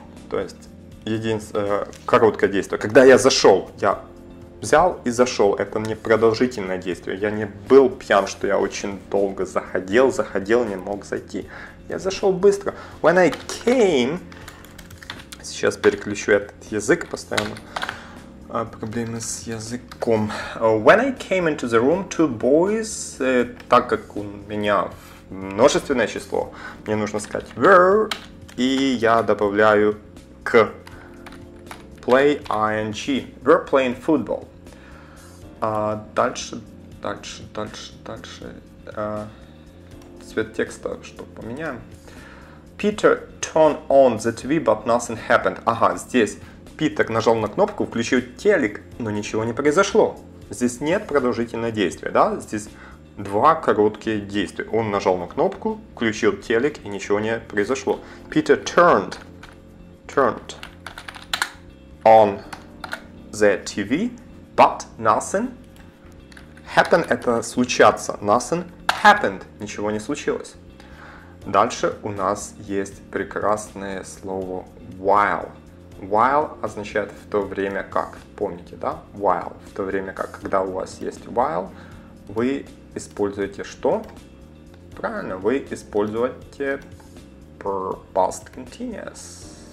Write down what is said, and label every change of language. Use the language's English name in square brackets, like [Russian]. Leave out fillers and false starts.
[Russian] То есть, короткое действие. Когда я зашел, я взял и зашел. Это не продолжительное действие. Я не был пьян, что я очень долго заходил, не мог зайти. Я зашел быстро. [English] When I came... [Russian] Сейчас переключу этот язык постоянно. Проблемы с языком. [English] When I came into the room, two boys... [Russian] так как у меня множественное число, мне нужно сказать were, и я добавляю к play ing. [English] Were playing football. Дальше. [Russian] Цвет текста, что поменяем. [English] Peter turned on the TV, but nothing happened. [Russian] Ага, здесь Питер нажал на кнопку, включил телек, но ничего не произошло. Здесь нет продолжительного действия, да? Здесь два короткие действия. Он нажал на кнопку, включил телек, и ничего не произошло. [English] Peter turned on the TV, but nothing happened. [Russian] Это случаться. [English] Nothing happened. [Russian] Ничего не случилось. Дальше у нас есть прекрасное слово while. While означает в то время как. Помните, да? While. В то время как. Когда у вас есть while, вы используете что? Правильно, вы используете past continuous.